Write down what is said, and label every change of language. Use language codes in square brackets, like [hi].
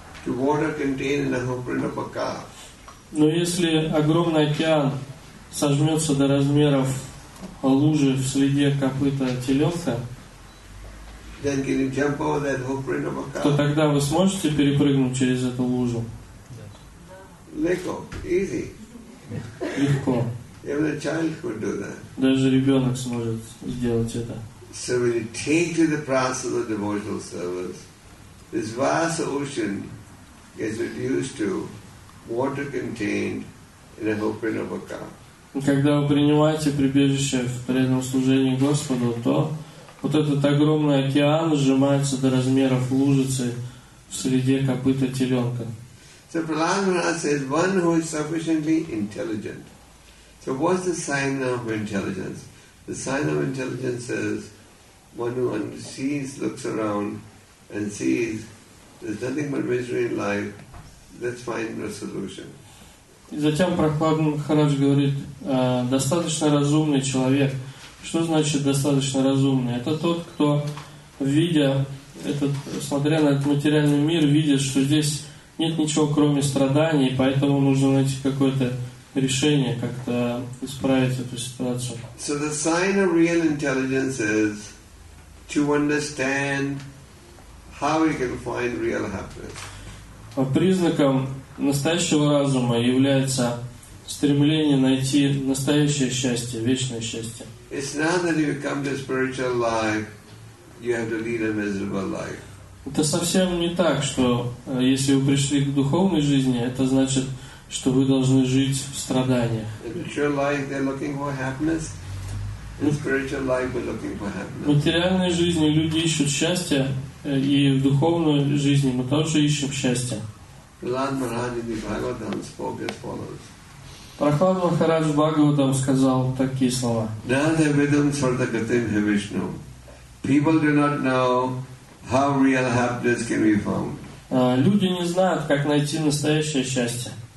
[ru] Но если огромный океан сожмется до размеров лужи в среде копыта теленка, то тогда вы сможете перепрыгнуть через эту лужу? Легко, [en] easy. [ru] Легко. [en] Even a child could do that. [ru] Даже ребенок сможет сделать это. [en] So when you take to the process of devotional service, this vast ocean gets reduced to water contained in a footprint of a cup. [ru] Когда вы принимаете прибежище в преданном служении Господу, то вот этот огромный океан сжимается до размеров лужицы в среде копыта теленка. [en] So Prahlada says, one who is sufficiently intelligent. So what's the sign of intelligence? The sign of intelligence is one who sees, looks around and sees there's nothing but misery in life. Let's find a solution. [ru] И затем Прахлада Махарадж говорит, достаточно разумный человек. Что значит достаточно разумный? Это тот, кто, видя этот, смотря на этот материальный мир, видит, что здесь нет ничего, кроме страданий, поэтому нужно найти какое-то решение, как-то исправить эту ситуацию. So the sign of real intelligence is to understand how we can find real happiness. Признаком настоящего разума является стремление найти настоящее счастье, вечное счастье. It's not that you come to spiritual life, you have to lead a miserable life. Это совсем не так, что если вы пришли к духовной жизни, это значит, что вы должны жить в страданиях. In the true life, they're looking for happiness. В материальной жизни люди ищут счастье, и в духовной жизни мы тоже ищем счастье. Прохлад Махарадж Бхагаватам сказал такие слова. Люди не знают, как найти настоящее счастье.